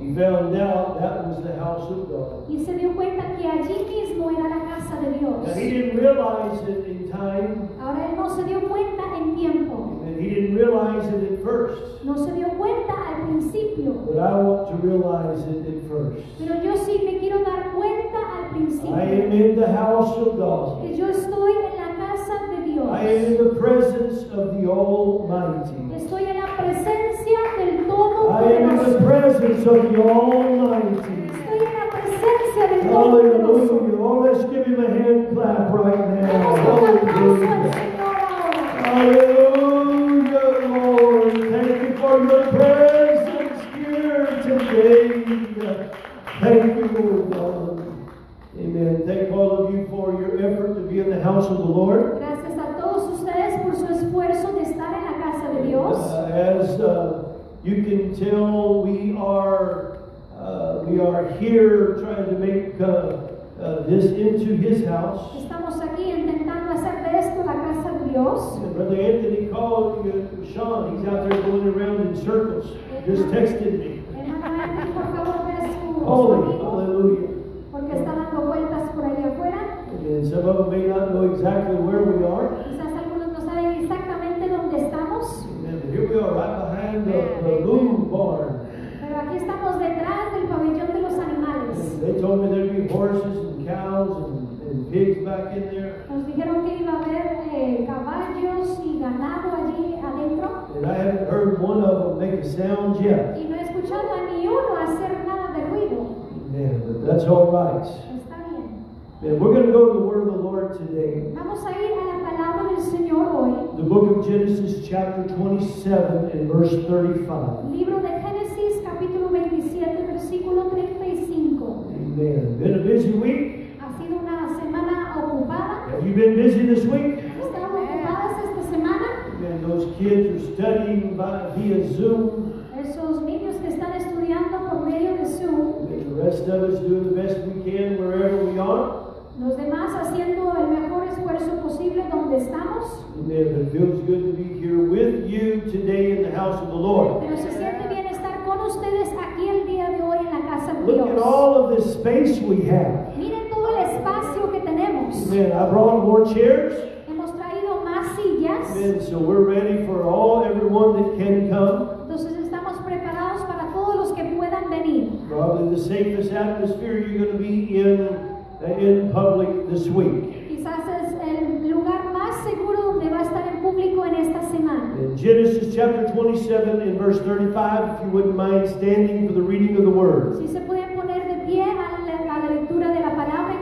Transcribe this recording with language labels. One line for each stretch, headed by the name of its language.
English: He found out that was the house of God.
Spanish: Y se dio cuenta que allí mismo era la casa de Dios.
English: Now, he didn't realize it in time.
Spanish: Ahora él no se dio cuenta en tiempo.
English: And he didn't realize it at first.
Spanish: No se dio cuenta al principio.
English: But I want to realize it at first.
Spanish: Pero yo sí me quiero dar cuenta al principio.
English: I am in the house of God.
Spanish: Que yo estoy en la casa de Dios.
English: I am in the presence of the Almighty.
Spanish: Estoy en la presencia del Todopoderoso.
English: I am in the presence of the Almighty.
Spanish: Estoy en la presencia del
English: Todopoderoso. Hallelujah. Oh, let's give him a hand clap right now. Hallelujah. Hallelujah, Lord. Thank you for your presence here today. Thank you, Lord God. Amen. Thank all of you for your effort to be in the house of the Lord.
Spanish: Gracias a todos ustedes por su esfuerzo de estar en la casa de Dios.
English: You can tell, we are here trying to make this into his house.
Spanish: Estamos aquí intentando hacer de esto la casa de Dios.
English: And Brother Anthony called Sean. He's out there going around in circles. Just texted me. Holy, hallelujah.
Spanish: Porque está dando vueltas por allá afuera.
English: And some of them may not know exactly where we are.
Spanish: Quizás algunos no saben exactamente dónde estamos.
English: And here we are, right behind the loom barn.
Spanish: Pero aquí estamos detrás del pabellón de los animales.
English: And they told me there'd be horses and cows and pigs back in there.
Spanish: Nos dijeron que iba a haber caballos y ganado allí adentro.
English: And I haven't heard one of them make a sound yet.
Spanish: Y no he escuchado a ni uno hacer nada de ruido.
English: Amen. But that's all right.
Spanish: Está bien.
English: Man, we're going to go to the Word of the Lord today.
Spanish: Vamos a ir a la palabra del Señor hoy.
English: The book of Genesis, chapter 27, and verse 35.
Spanish: Libro de Génesis, capítulo 27, versículo 35.
English: Amen. Been a busy week?
Spanish: Ha sido una semana ocupada.
English: Have you been busy this week?
Spanish: Estamos ocupadas esta semana.
English: Man, those kids are studying via Zoom.
Spanish: Esos niños que están estudiando por medio de Zoom.
English: The rest of us doing the best we can wherever we are.
Spanish: Los demás haciendo el mejor esfuerzo posible donde estamos.
English: Amen. It feels good to be here with you today in the house of the Lord.
Spanish: Pero se siente bien estar con ustedes aquí el día de hoy en la casa de
English: Look
Spanish: Dios.
English: Look at all of this space we have.
Spanish: Miren todo el espacio que tenemos.
English: Amen. I brought more chairs.
Spanish: Hemos traído más sillas.
English: Amen. So we're ready for everyone that can come.
Spanish: Entonces estamos preparados para todos los que puedan venir.
English: Probably the safest atmosphere you're going to be in public this week.
Spanish: Quizás es el lugar más seguro donde va a estar en público en esta semana.
English: In Genesis chapter 27 and verse 35, if you wouldn't mind standing for the reading of the word.
Spanish: Si se pueden poner de pie a la lectura de la palabra.